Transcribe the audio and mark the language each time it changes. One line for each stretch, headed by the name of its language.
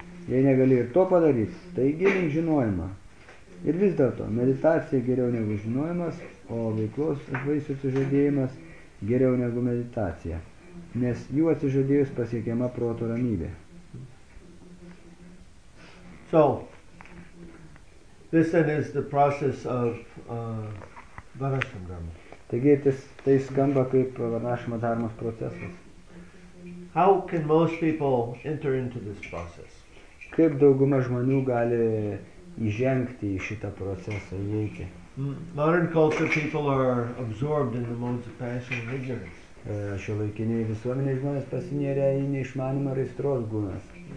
Lithuanian: Jei negali ir to padaryti, tai gilink žinojimą. Ir vis dėlto, meditacija geriau negu žinojimas, o veiklos vaisių atsižadėjimas geriau negu meditacija, nes jų atsižadėjus pasiekiama proto ramybė.
English: So, this then is the process of Varnashrama Dharma.
Lithuanian: Taigi, tai skamba kaip Varnashrama Dharmos procesas.
English: How can most people enter into this process?
Lithuanian: Kaip dauguma žmonių gali įžengti į šitą procesą, įeiti?
English: Modern culture people are absorbed in the modes of passion and ignorance.
Lithuanian: Šiuolaikiniai visuomenės žmonės pasinėrė į neišmanimą ir aistros gunas.